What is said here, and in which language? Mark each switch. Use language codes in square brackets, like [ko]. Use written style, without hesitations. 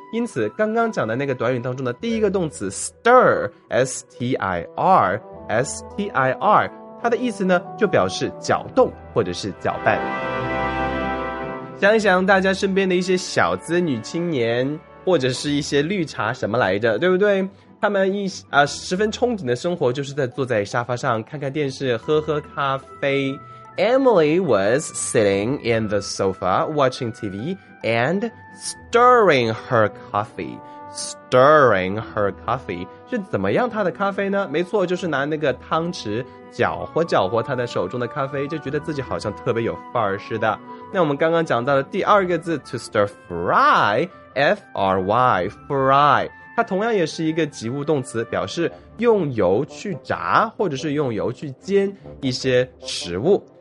[zh] 因此刚刚讲的那个短语当中的第一个动词 stir S-T-I-R S-T-I-R 它的意思呢，就表示搅动或者是搅拌。想一想大家身边的一些小资女青年，或者是一些绿茶什么来着，对不对？他们十分憧憬的生活就是在坐在沙发上看看电视，喝喝咖啡。 [en] Emily was sitting in the sofa watching TV and stirring her coffee. Stirring her coffee [zh] 是怎么样她的咖啡呢？没错，就是拿那个汤匙搅和搅和她的手中的咖啡，就觉得自己好像特别有范儿似的。那我们刚刚讲到的第二个字 to stir fry F-R-Y Fry， 它同样也是一个及物动词，表示用油去炸或者是用油去煎一些食物。